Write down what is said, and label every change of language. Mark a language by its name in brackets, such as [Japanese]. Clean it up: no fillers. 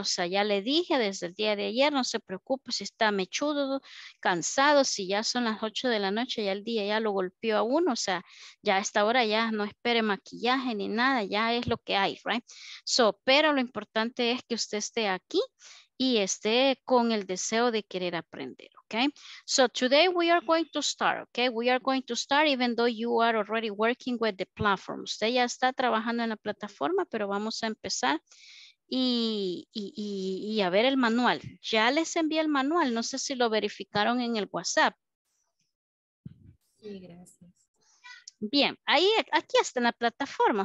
[Spanish] O sea, ya le dije desde el día de ayer, no se preocupe si está mechudo, cansado, si ya son las 8 de la noche, ya el día ya lo golpeó a uno, o sea, ya a esta hora ya no espere maquillaje ni nada, ya es lo que hay, ¿right? So, pero lo importante es que usted esté aquí y esté con el deseo de querer aprender. [English] Okay, so today we are going to start, okay? We are going to start even though you are already working with the platform. [Spanish] Usted ya está trabajando en la plataforma, pero vamos a empezar y a ver el manual. Ya les envié el manual, no sé si lo verificaron en el WhatsApp. Sí, gracias. Bien, ahí, aquí está en la plataforma.